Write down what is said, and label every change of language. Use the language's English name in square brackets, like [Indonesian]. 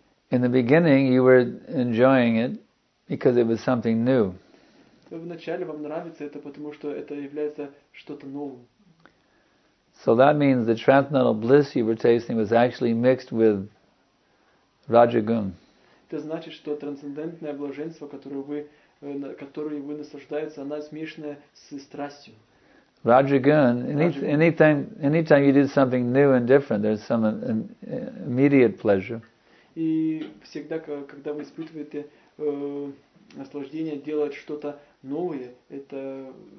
[English] In the beginning you were enjoying it because it was something new. [Russian] Вначале вам нравится это, потому что это является что-то новым. [English] So that means the transcendental bliss you were tasting was actually mixed with rajagun. [Russian] Это значит, что трансцендентное блаженство, которое вы наслаждаетесь, оно смешанное с страстью. [English] Rajagun. Anytime you do something new and different, there's some immediate pleasure. [Russian] И всегда, когда вы испытываете наслаждение делать что-то новое, это